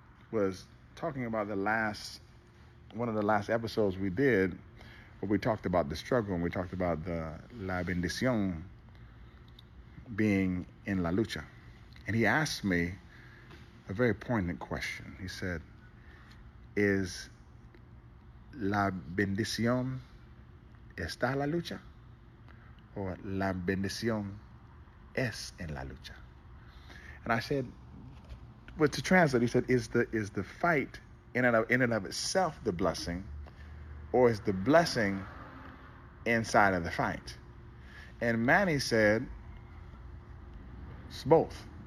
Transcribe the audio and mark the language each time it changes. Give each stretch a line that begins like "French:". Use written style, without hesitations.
English: Was talking about one of the last episodes we did, where we talked about the struggle and we talked about the
Spanish: la bendición
English: being in
Spanish: la lucha.
English: And he asked me a very poignant question. He said, is
Spanish: la bendición está la lucha?
English: Or
Spanish: la bendición es en la lucha?
English: And I said, but to translate, he said, is the fight in and of itself the blessing, or is the blessing inside of the fight? And Manny said, it's both.